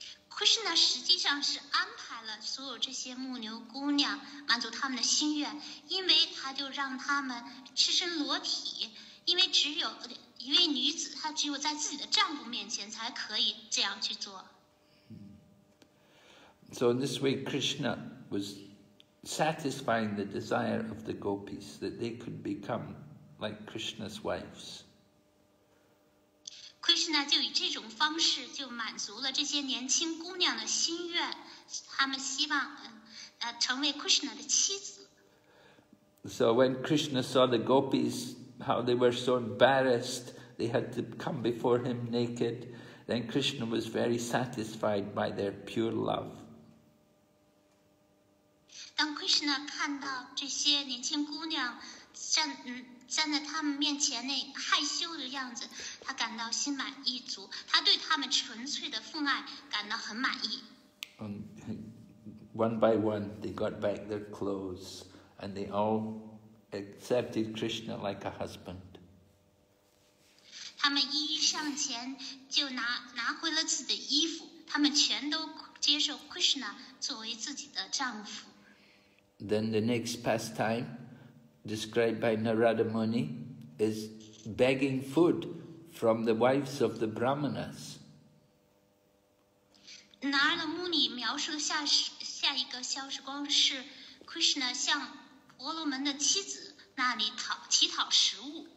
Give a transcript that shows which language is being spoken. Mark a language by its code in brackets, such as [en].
[zh] Krishna 实际上是安排了所有这些牧牛姑娘满足他们的心愿，因为他就让他们赤身裸体。因为只有一位女子，她只有在自己的丈夫面前才可以这样去做。 [en] So in this way, Krishna was satisfying the desire of the gopis that they could become like Krishna's wives. [zh] Krishna 就以这种方式就满足了这些年轻姑娘的心愿，她们希望成为 Krishna 的妻子。 [en] So when Krishna saw the gopis, how they were so embarrassed, they had to come before him naked, then Krishna was very satisfied by their pure love. [zh] 当 Krishna 看到这些年轻姑娘站在他们面前那害羞的样子，他感到心满意足，他对他们纯粹的父爱感到很满意。 [en] One by one, they got back their clothes, and they all accepted Krishna like a husband. [zh] 他们一一上前，就拿回了自己的衣服，他们全都接受 Krishna 作为自己的丈夫。 [en] Then the next pastime,described by Narada Muni, is begging food from the wives of the brahmanas. [zh] Narada Muni 描述的下一个消失光是 Krishna 向婆罗门的妻子那里乞讨食物。